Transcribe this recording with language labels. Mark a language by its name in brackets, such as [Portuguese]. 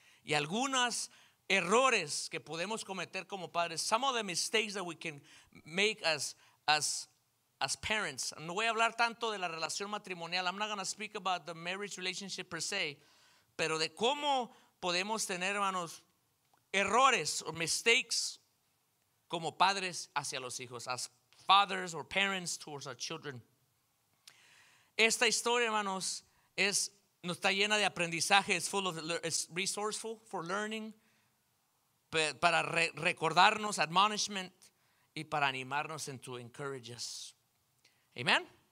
[Spanish] Y algunos errores que podemos cometer como padres. [English] Some of the mistakes that we can make as parents. [Spanish] No voy a hablar tanto de la relación matrimonial. [English] I'm not going to speak about the marriage relationship per se. [Spanish] Pero de cómo podemos tener, hermanos, errores [English] or mistakes [Spanish] como padres hacia los hijos. [English] As fathers or parents towards our children. [Spanish] Esta historia, hermanos, es no está llena de aprendizaje, es [English] full of, it's resourceful for learning, [Spanish] para recordarnos, [English] admonishment, [Spanish] y para animarnos [English] and to encourage us. Amen.